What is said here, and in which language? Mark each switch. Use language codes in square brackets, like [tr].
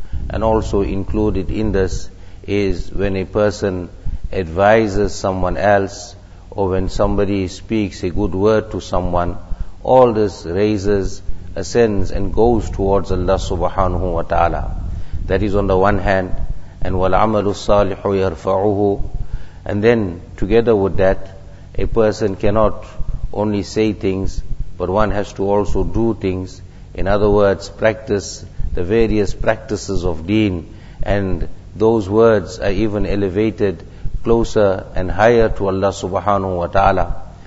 [en] And also included in this is when a person advises someone else, or when somebody speaks a good word to someone, all this raises, ascends and goes towards Allah subhanahu wa ta'ala. That is on the one hand. And [ar] وَالْعَمَلُ الصَّالِحُ يَرْفَعُهُ. [en] And then together with that, a person cannot only say things, but one has to also do things. In other words, practice the various practices of deen. And those words are even elevated closer and higher to Allah subhanahu wa ta'ala.